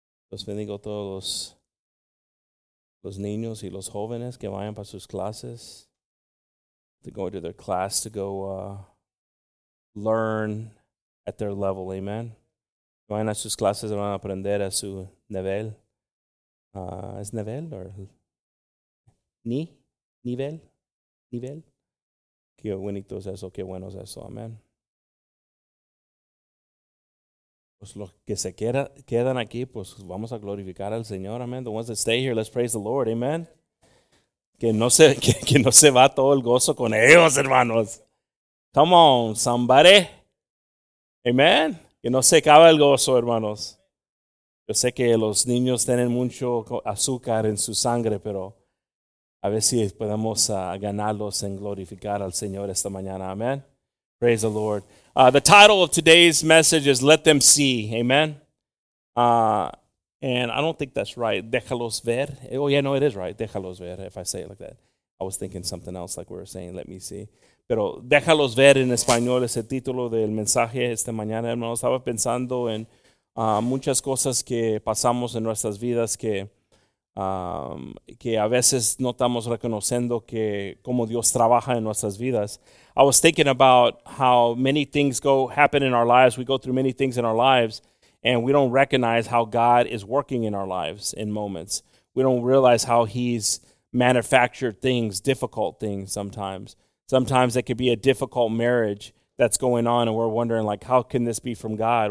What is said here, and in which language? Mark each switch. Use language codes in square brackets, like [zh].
[es] Dios bendiga a todos los niños y los jóvenes que vayan para sus clases. [en] To go to their class to go learn at their level, amen. [es] Vayan a sus clases, van a aprender a su nivel. Es nivel or nivel. Qué bonito es eso, qué bueno es eso, amen. Pues los que se quedan aquí, pues vamos a glorificar al Señor, amen. [en] The ones that stay here, let's praise the Lord, amen. [es] Que no se va todo el gozo con ellos, hermanos. [en] Come on, somebody. Amen. [es] Que no se acabe el gozo, hermanos. Yo sé que los niños tienen mucho azúcar en su sangre, pero a ver si podemos ganarlos en glorificar al Señor esta mañana. [en] Amen. Praise the Lord. The title of today's message is Let Them See. Amen. And I don't think that's right. [es] Déjalos ver. [en] Oh, yeah, no, it is right. [es] Déjalos ver, [en] if I say it like that. I was thinking something else, like we were saying, let me see. [es] Pero déjalos ver en español es el título del mensaje esta mañana, hermano. Estaba pensando en muchas cosas que pasamos en nuestras vidas que a veces no estamos reconociendo que cómo Dios trabaja en nuestras vidas. [en] I was thinking about how many things happen in our lives. We go through many things in our lives. And we don't recognize how God is working in our lives in moments. We don't realize how he's manufactured things, difficult things sometimes. Sometimes it could be a difficult marriage that's going on and we're wondering, like, how can this be from God?